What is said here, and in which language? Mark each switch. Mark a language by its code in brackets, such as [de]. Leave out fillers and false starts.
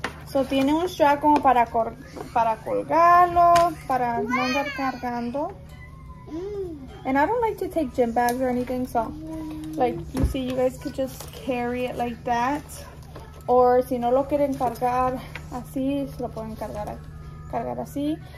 [es] So tiene un strap como para colgarlo, para no andar cargando. [en] And I don't like to take gym bags or anything, so like, you see, you guys could just carry it like that. [es] Or si no lo quieren cargar así, lo pueden cargar así.